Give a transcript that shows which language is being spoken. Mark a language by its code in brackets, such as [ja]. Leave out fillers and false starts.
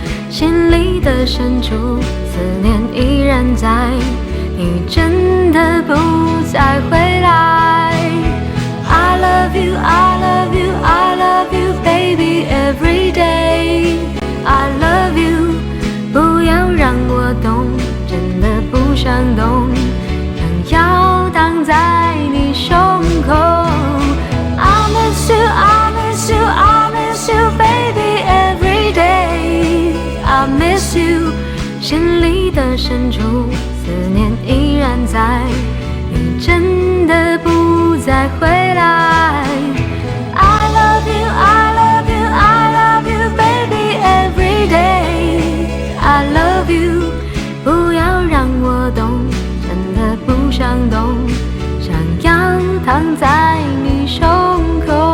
[zh] 心里的深处，思念依然在，你真的不再回来。 [en] I love you, I love you, I love you, baby, every day. I love you, [zh] 不要让我懂，真的不想懂，想要挡在你胸口。 [en] I miss you, I miss you, I miss you, baby, every day. I miss you, [zh] 心里的深处，思念依然在，你真的不再回来。 [en] I love you, I love you, I love you, baby, every day. I love you, [zh] 不要让我懂，真的不想懂，想要躺在你胸口。